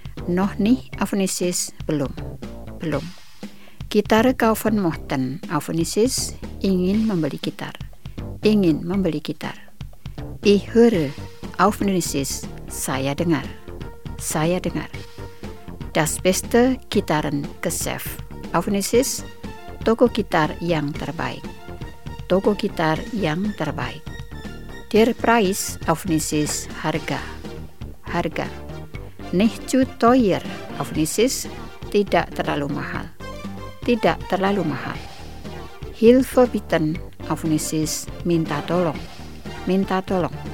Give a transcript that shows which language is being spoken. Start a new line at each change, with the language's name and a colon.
German: Noch nicht auf Indonesisch.
Indonesian: Belum. Belum.
German: Gitar kaufen möchten auf Indonesisch.
Indonesian: Ingin membeli gitar. Ingin membeli gitar.
German: Ich höre auf Indonesisch.
Indonesian: Saya dengar. Saya dengar.
German: Das beste Gitarrengeschäft auf Indonesisch.
Indonesian: Toko gitar yang terbaik. Toko gitar yang terbaik.
German: Der Preis auf Indonesisch.
Indonesian: Harga. Harga.
German: Nicht zu teuer auf Indonesisch.
Indonesian: Tidak terlalu mahal. Tidak terlalu mahal.
German: Hilfe bitten auf Indonesisch.
Indonesian: Minta tolong. Minta tolong.